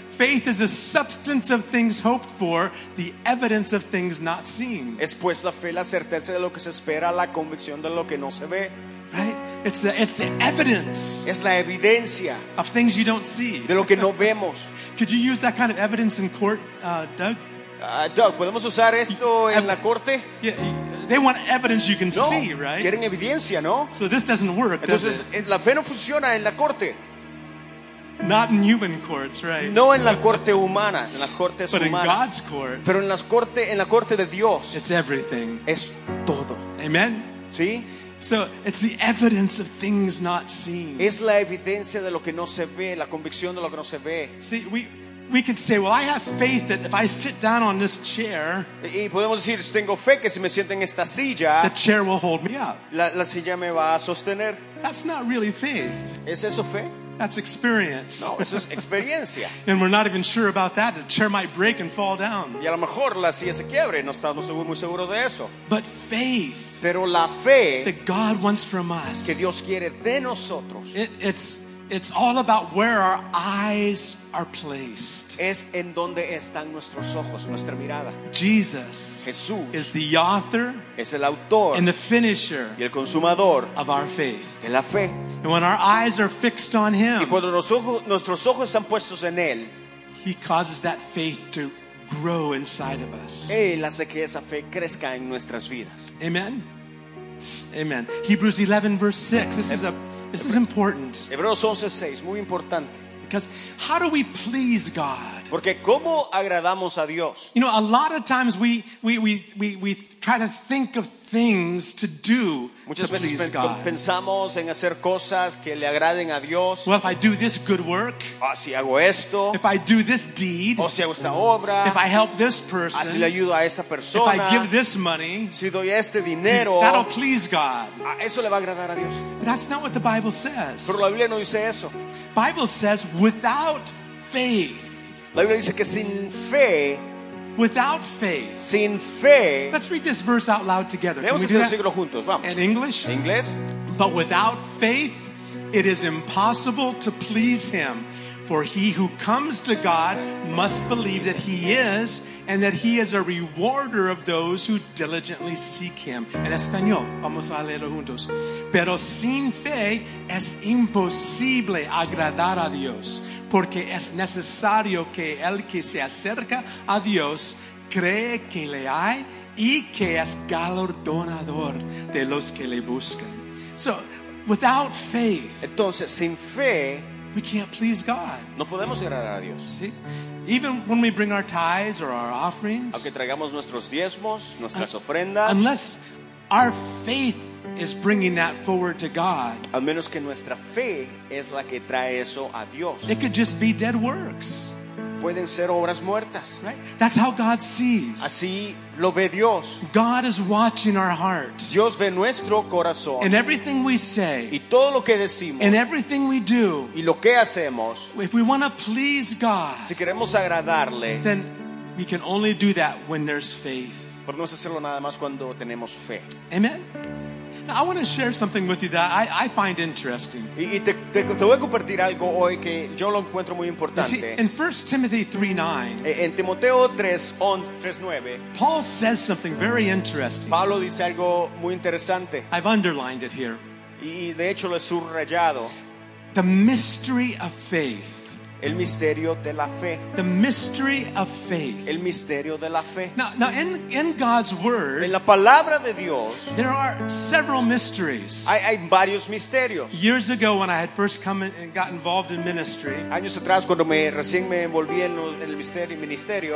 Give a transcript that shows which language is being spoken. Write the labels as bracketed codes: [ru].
[en] Faith is a substance of things hoped for, the evidence of things not seen. [es] Es pues la fe la certeza de lo que se espera, la convicción de lo que no se ve. [en] Right? It's the evidence. [es] Es la evidencia. [en] Of things you don't see. [es] De lo que no vemos. [en] Could you use that kind of evidence in court, Doug? [es] Doug, ¿podemos usar esto en la corte? [en] Yeah, they want evidence you can [es] no, [en] see, right? [es] Quieren evidencia, ¿no? [en] So this doesn't work. [es] Entonces, [en] does it? [es] La fe no funciona en la corte. [en] Not in human courts, right? [es] No en la corte humana, en las cortes [en] but [es] humanas. [en] But in God's court. [es] Pero en las corte, en la corte de Dios. [en] It's everything. [es] Es todo. [en] Amen. [es] Sí. [en] So it's the evidence of things not seen. [es] Es la evidencia de lo que no se ve, la convicción de lo que no se ve. [en] See, we can say, well, I have faith that if I sit down on this chair, [es] y podemos decir, tengo fe que si me siento en esta silla, [en] the chair will hold me up. [es] La silla me va a sostener. [en] That's not really faith. [es] ¿Es eso fe? [en] That's experience. [es] No, eso es experiencia. [en] And we're not even sure about that. The chair might break and fall down. [es] Y a lo mejor la silla se quiebre. No estamos muy seguros de eso. [en] But faith. [es] Pero la fe. [en] That God wants from us. [es] Que Dios quiere de nosotros. [en] It's all about where our eyes are placed. [es] Es en donde están nuestros ojos, nuestra mirada. [en] Jesus, [es] Jesús, [en] is the author, [es] es el autor, [en] and the finisher, [es] y el consumador, [en] of our faith, [es] de la fe. [en] And when our eyes are fixed on Him, [es] y cuando nuestros ojos están puestos en Él, [en] He causes that faith to grow inside of us. [es] Él hace que esa fe crezca en nuestras vidas. [en] Amen. Amen. Hebrews 11, verse 6. This is important. [es] Hebreos 11:6, muy importante. [en] Because how do we please God? [es] Porque cómo agradamos a Dios. [en] You know, a lot of times we try to think of things to do [es] muchas [en] to [es] veces [en] please God. [es] Pensamos en hacer cosas que le agraden a Dios. [en] Well, if I do this good work, [es] oh, si hago esto, [en] if I do this deed, [es] oh, si hago esta obra, [en] if I help this person, [es] así le ayudo a esta persona, [en] if I give this money, [es] si doy este dinero, [en] see, that'll please God. [es] Eso le va a agradar a Dios. [en] But that's not what the Bible says. [es] Pero la Biblia no dice eso. [en] Bible says without faith. [es] La Biblia dice que sin fe [en] Without faith. [es] Sin fe. [en] Let's read this verse out loud together. [es] Leemos este versículo juntos, vamos. [en] In English. [es] En inglés. [en] But without faith, it is impossible to please him. For he who comes to God must believe that he is, and that he is a rewarder of those who diligently seek him. [es] En español, vamos a leerlo juntos. Pero sin fe es imposible agradar a Dios, porque es necesario que el que se acerca a Dios cree que le hay y que es galardonador de los que le buscan. [en] So, without faith. [es] Entonces, sin fe. [en] We can't please God. [es] No podemos agradar a Dios. [en] See? Even when we bring our tithes or our offerings. [es] Aunque traigamos nuestros diezmos, nuestras ofrendas. [en] Unless our faith is bringing that forward to God. [es] Al menos que nuestra fe es la que trae eso a Dios. [en] It could just be dead works. [es] Pueden ser obras muertas. [en] Right? That's how God sees. [es] Así lo ve Dios. [en] God is watching our hearts. [es] Dios ve nuestro corazón. [en] And everything we say. [es] Y todo lo que decimos. [en] And everything we do. [es] Y lo que hacemos. [en] If we want to please God. [es] Si queremos agradarle. [en] Then we can only do that when there's faith. [es] Podemos hacerlo nada más cuando tenemos fe. [en] Amen. Now, I want to share something with you that I find interesting. [es] Y te voy a compartir algo hoy que yo lo encuentro muy importante. [en] See, in 1 Timothy 3:9. [es] En Timoteo 3:9. [en] Paul says something very interesting. [es] Pablo dice algo muy interesante. [en] I've underlined it here. [es] Y de hecho lo he subrayado. [en] The mystery of faith. [es] El misterio de la fe. [en] The mystery of faith. [es] El misterio de la fe. [en] Now in God's word. [es] En la palabra de Dios. [en] There are several mysteries. [es] Hay varios misterios. [en] Years ago when I had first come in and got involved in ministry. [es] Años atrás cuando recién me envolví en el ministerio.